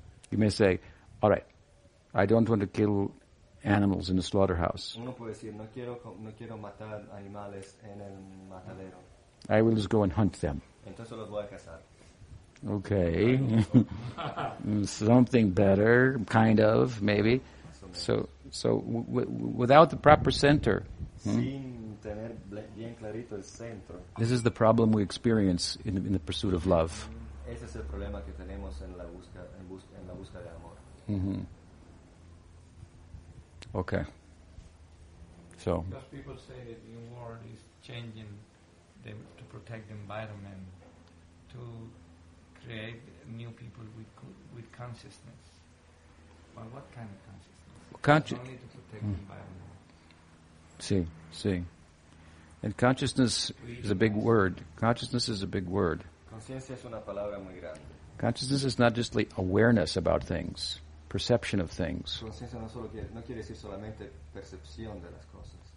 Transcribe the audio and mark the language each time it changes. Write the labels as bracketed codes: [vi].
[en] You may say, all right, I don't want to kill animals in the slaughterhouse. [es] Uno puede decir, no quiero matar animales en el matadero. [en] I will just go and hunt them. [es] Entonces los voy a cazar. [en] Okay. Something better, kind of, maybe. So without the proper center, [es] sin tener bien clarito el centro, [en] this is the problem we experience in the pursuit of love. [es] Ese es el problema que tenemos en la busca, en la busca de amor. [en] Mm-hmm. Okay. So. Because people say that the world is changing them to protect the environment, to create new people with consciousness. But what kind of consciousness? Consciousness. Only to protect the environment. See. And consciousness is a big word. Consciousness is a big word. [es] Conciencia es una palabra muy grande. [en] Consciousness is not just awareness about things, perception of things. [es] Conciencia no quiere decir solamente percepción de las cosas.